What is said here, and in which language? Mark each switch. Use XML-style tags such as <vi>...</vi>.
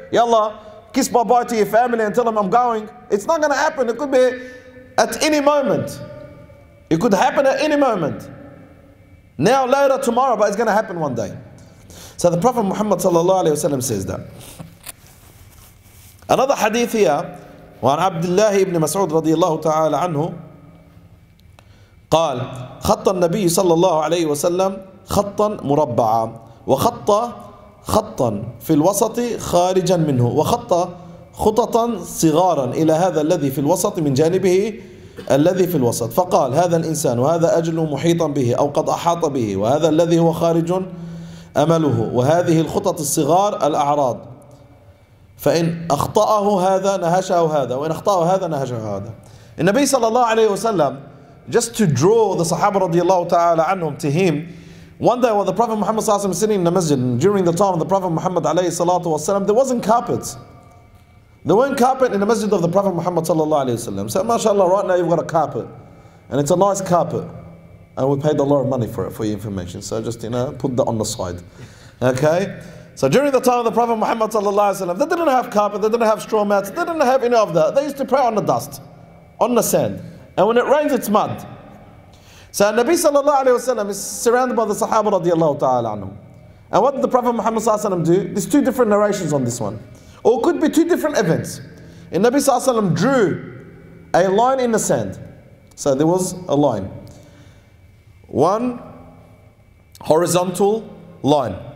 <en>Yalla, kiss bye-bye to your family and tell them I'm going. It's not going to happen. It could be at any moment. It could happen at any moment. Now, later, tomorrow, but it's going to happen one day. So the Prophet Muhammad</en> <ar>sallallahu alayhi wa sallam</ar> <en>says that. Another hadith here,</en> <ar>وعن عبد الله ابن مسعود رضي الله تعالى عنه قال خط النبي صلى الله عليه وسلم خطا مربعا وخط خطا في الوسط خارجا منه، وخط خططا صغارا إلى هذا الذي في الوسط من جانبه الذي في الوسط، فقال: هذا الإنسان وهذا أجله محيطا به أو قد أحاط به، وهذا الذي هو خارج أمله، وهذه الخطط الصغار الأعراض، فإن أخطأه هذا نهشه هذا، وإن أخطأه هذا نهشه هذا. النبي صلى الله عليه وسلم</ar> <en>just to draw the Sahaba</en> <ar>رضي الله تعالى عنهم</ar> <en>to him. One day when the Prophet Muhammad</en> <ar>صلى الله عليه وسلم</ar> <en>was sitting in the masjid during the time of the Prophet Muhammad</en> <ar>عليه الصلاة والسلام,</ar> <en>there wasn't carpets. There weren't carpet in the masjid of the Prophet Muhammad</en> <ar>صلى الله عليه وسلم.</ar> <en>So mashallah, right now you've got a carpet. And it's a nice carpet. And we paid a lot of money for it, for your information. So just, you know, put that on the side. Okay? So during the time of the Prophet Muhammad</en> <ar>صلى الله عليه وسلم,</ar> <en>they didn't have carpet, they didn't have straw mats, they didn't have any of that. They used to pray on the dust, on the sand. And when it rains, it's mud. So Nabi</en> <ar>صلى الله عليه وسلم</ar> <en>is surrounded by the Sahaba</en> <ar>رضي الله تعالى عنهم.</ar> <en>And what did the Prophet Muhammad</en> <ar>صلى الله عليه وسلم</ar> <en>do? There's two different narrations on this one. Or it could be two different events. And Nabi</en> <ar>صلى الله عليه وسلم</ar> <en>drew a line in the sand. So there was a line. One horizontal line.</en>